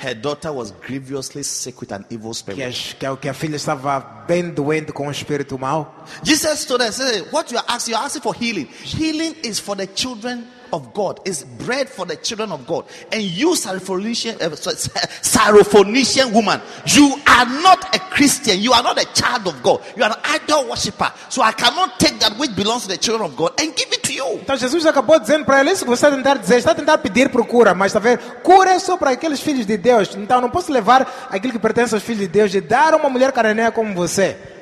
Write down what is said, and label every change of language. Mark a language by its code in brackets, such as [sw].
[en] Her daughter was grievously sick with an evil spirit. [pt] Que a filha estava bem doente com espírito mau. [en] Jesus told her, said, "What you are asking? You are asking for healing. Healing is for the children of God. It's bread for the children of God. And you, Syrophoenician woman, you are not a Christian. You are not a child of God. You are an idol worshiper. So I cannot take that which belongs to the children of God and give it to you." [pt] Então Jesus acabou dizendo para ele isso que você está tentando dizer. Está tentando pedir por cura, mas está vendo? Cura é só para aqueles filhos de Deus. Então não posso levar aquilo que pertence aos filhos de Deus e dar uma mulher cananeia como você.